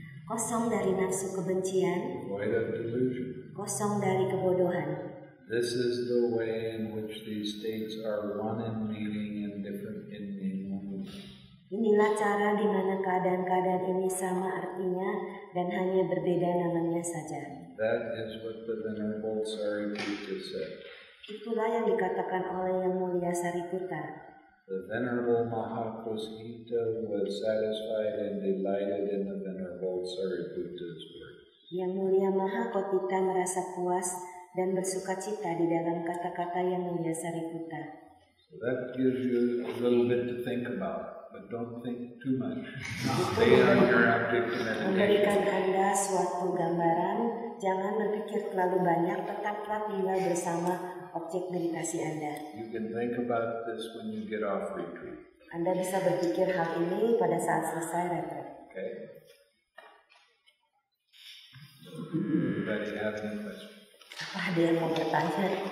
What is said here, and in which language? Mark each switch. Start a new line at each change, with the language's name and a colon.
Indonesian: Kosong dari nafsu kebencian.
English: Void of delusion.
Indonesian: Kosong dari kebodohan.
English: This is the way in which these states are one in meaning and different in meaning.
Indonesian: Inilah cara di mana keadaan-keadaan ini sama artinya dan hanya berbeda namanya saja.
English: That is what the Venerable Sariputta said.
Indonesian: Itulah yang dikatakan oleh Yang Mulia Sariputta.
English: The Venerable Mahāvedalla was satisfied and delighted in the Venerable Sariputta's words.
Indonesian: Yang Mulia Mahāvedalla merasa puas dan bersukacita di dalam kata-kata Yang Mulia Sariputta.
English: So that gives you a little bit to think about, but don't think too much. Stay on your object meditation.
Indonesian: Memberikan Anda suatu gambaran, jangan berpikir terlalu banyak, tetaplah tinggal bersama objek meditasi Anda.
English: You can think about this when you get off retreat.
Indonesian: Anda bisa berpikir hal ini pada saat selesai retreat.
English: Okay. Anybody have any questions?
Indonesian: Apa ada yang mau bertanya?